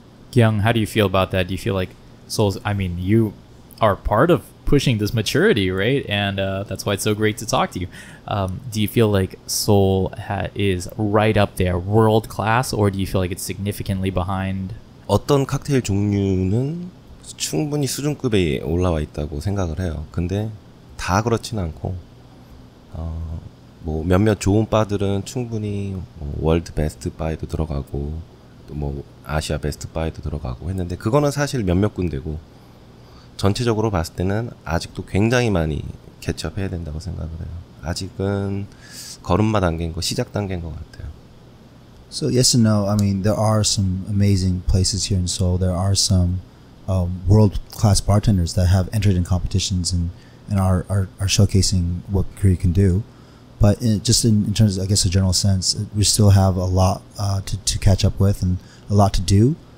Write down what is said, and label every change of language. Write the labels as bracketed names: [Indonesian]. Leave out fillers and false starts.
[English] Gyung, how do you feel about that? Do you feel like Seoul's, I mean, you are part of pushing this maturity, right? And that's why it's so great to talk to you. Do you feel like Seoul is right up there, world class, or do you feel like it's significantly behind? [Korean] 어떤 칵테일 종류는 충분히 수준급에 올라와 있다고 생각을 해요. 근데 다 그렇진 않고 뭐 몇몇 좋은 바들은 충분히 뭐 월드 베스트 바에도 들어가고 또 뭐 아시아 베스트 바에도 들어가고 했는데 그거는 사실 몇몇 군데고 전체적으로 봤을 때는 아직도 굉장히 많이 캐치업해야 된다고 생각을 해요. 아직은 걸음마 단계인 거 시작 단계인 것 같아요. [English] So yes and no. I mean, there are some amazing places here in Seoul. There are some world-class bartenders that have entered in competitions and are showcasing what Korea can do. But in terms of, I guess, a general sense, we still have a lot to catch up with and a lot to do.